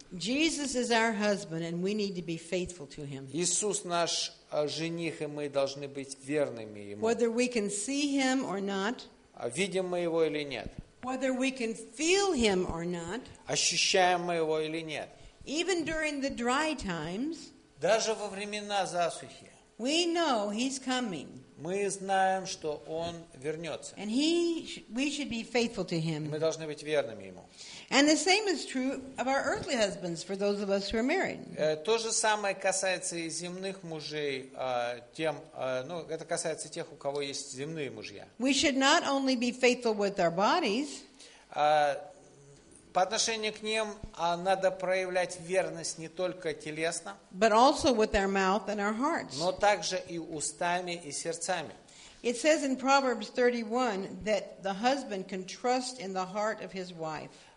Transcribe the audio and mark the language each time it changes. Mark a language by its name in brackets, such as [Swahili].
[English] Jesus is our husband, and we need to be faithful to him. [Russian] Иисус наш жених, и мы должны быть верными ему. [English] Whether we can see him or not. [Russian] Видим мы его или нет. [English] Whether we can feel him or not. [Russian] Ощущаем мы его или нет. [English] Even during the dry times. [Russian] Даже во времена засухи. [English] We know he's coming. [Russian] Мы знаем, что он вернется. [English] And we should be faithful to him. [Russian] Мы должны быть верными ему. [English] And the same is true of our earthly husbands, for those of us who are married. [Russian] То же самое касается и земных мужей, тем, ну, это касается тех, у кого есть земные мужья. [English] We should not only be faithful with our bodies. [Russian] По отношению к ним надо проявлять верность не только телесно, [English] but also with our mouth and our hearts. [Russian] Но также и устами и сердцами. [English] It says in Proverbs 31 that the husband can trust in the heart of his wife.